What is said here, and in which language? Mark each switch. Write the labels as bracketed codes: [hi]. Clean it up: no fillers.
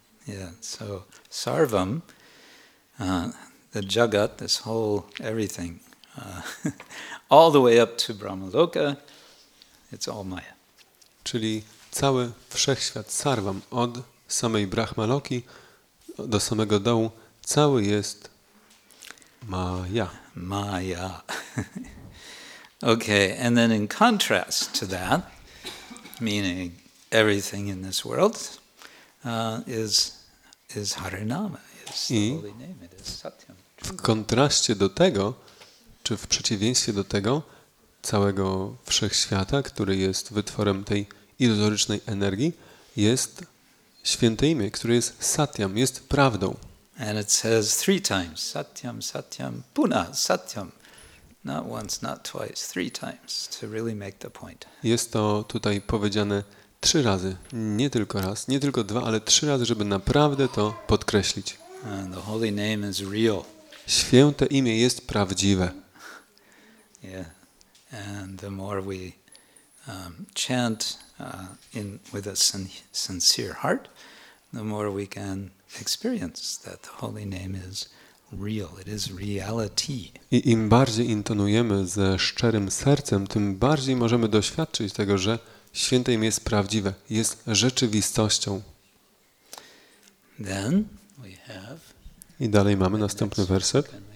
[en] Yeah, so sarvam, the jagat, this whole everything, all the way up to Brahmaloka, it's all Maya. [pl] Czyli cały wszechświat sarvam, od samej Brahmaloki do samego dołu, cały jest Maya. Maya. [en] Okay, and then in contrast to that, meaning everything in this world. Is Harinama, is the holy name, it is Satyam. [pl] W kontraście do tego, czy w przeciwieństwie do tego całego wszechświata, który jest wytworem tej iluzorycznej energii, jest święte imię, które jest Satyam, jest prawdą. [en] And it says three times, Satyam, Satyam, Puna, Satyam. Not once, not twice, three times, to really make the point. [pl] Jest to tutaj powiedziane trzy razy, nie tylko raz, nie tylko dwa, ale trzy razy, żeby naprawdę to podkreślić. [en] And the holy name is real. [pl] Święte imię jest prawdziwe. [en] Yeah. And the more we chant in with a sincere heart, the more we can experience that the holy name is real. It is reality. [pl] I im bardziej intonujemy ze szczerym sercem, tym bardziej możemy doświadczyć tego, że Święte imię jest prawdziwe, jest rzeczywistością. [en] Then we have. [pl] I dalej mamy następny werset.